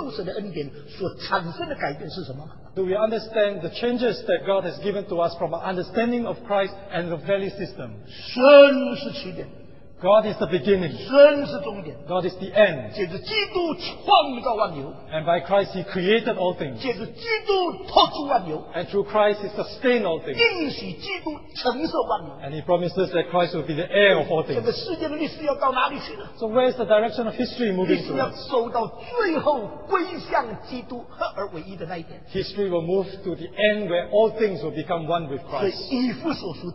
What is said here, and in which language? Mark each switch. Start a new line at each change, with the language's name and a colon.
Chinese: 我们做基督徒知道基督教在历史上的价值意义从领受神的恩典所产生的改变是什么?
English: Do we understand the changes that God has given to us from our understanding of Christ and the value system?
Chinese: 神是起点,
English: God is the beginning.
Chinese: 神是终点,
English: God is the end.
Chinese: 借着基督创造万有,
English: and by Christ He created all things.
Chinese: 借着基督托住万有,
English: and through Christ He sustained all things.
Chinese: 应许基督承受万有,
English: and He promises that Christ will be the heir of all things.
Chinese: 这个世界的历史要到哪里去呢?
English: So where is the direction of history moving to?
Chinese: 历史要走到最后归向基督合而为一的那一点。
English: History will move to the end where all things will become one with Christ.